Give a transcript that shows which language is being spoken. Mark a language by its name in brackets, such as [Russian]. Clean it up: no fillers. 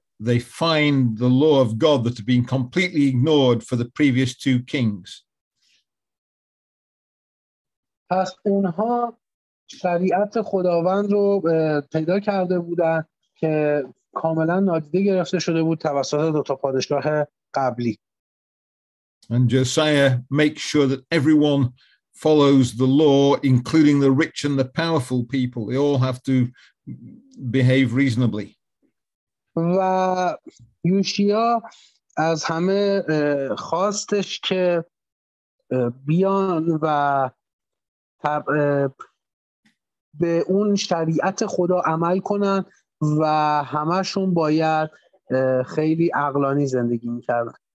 [English] They find the law of God that had been completely ignored for the previous two kings. [Persian] پس اونها شریعت خداوند رو پیدا کرده بودن که کاملا نادیده گرفته شده بود توسط دو تا پادشاه قبلی. [English] And Josiah makes sure that everyone follows the law, including the rich and the powerful people. They all have to behave reasonably. [Persian] و یوشیا از همه خواستش که بیان و به اون شریعت خدا عمل کنن و همشون باید خیلی عقلانی زندگی میکردن.